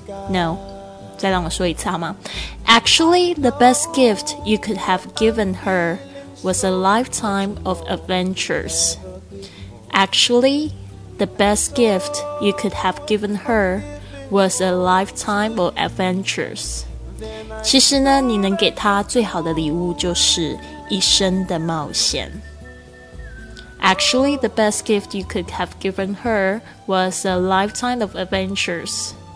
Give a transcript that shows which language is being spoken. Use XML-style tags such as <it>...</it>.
<en>No，</en> <zh>再让我说一次好吗</zh> <en>？Actually, the best gift you could have given her was a lifetime of adventures. Actually. The best gift you could have given her was a lifetime of adventures.</en> <zh>其实呢，你能给她最好的礼物就是一生的冒险。</zh> <en>Actually, the best gift you could have given her was a lifetime of adventures.</en>